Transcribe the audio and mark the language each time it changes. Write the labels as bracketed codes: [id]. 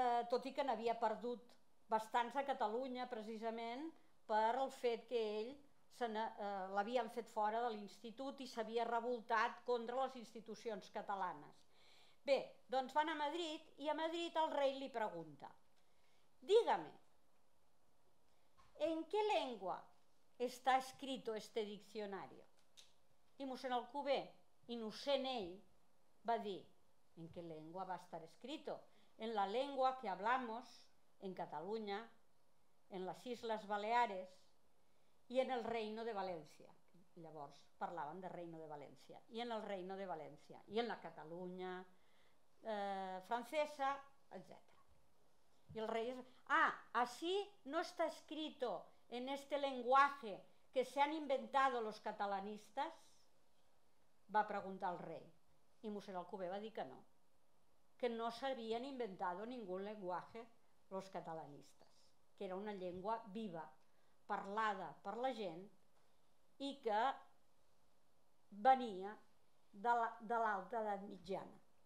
[ca] Tot i que n'havia perdut bastants a Catalunya precisament per el fet que ell l'havien fet fora de l'institut i s'havia revoltat contra les institucions catalanes. Bé, doncs van a Madrid i a Madrid el rei li pregunta: [es] dígame, ¿en qué lengua está escrito este diccionario? [ca] I mossèn Alcover, innocent ell, va dir: [es] ¿en qué lengua va estar escrito? En la lengua que hablamos en Cataluña, en las Islas Baleares y en el Reino de Valencia. [ca] Llavors parlaven de Reino de Valencia. I en el Reino de Valencia. I en la Catalunya francesa, etc. I el rei és: [es] ah, así no está escrito en este lenguaje que se han inventado los catalanistas? [ca] Va preguntar el rei. I mossèn Alcover va dir que no, que no s'havien inventat ningú llenguatge els catalanistes, que era una llengua viva, parlada per la gent i que venia de l'alta edat mitjana.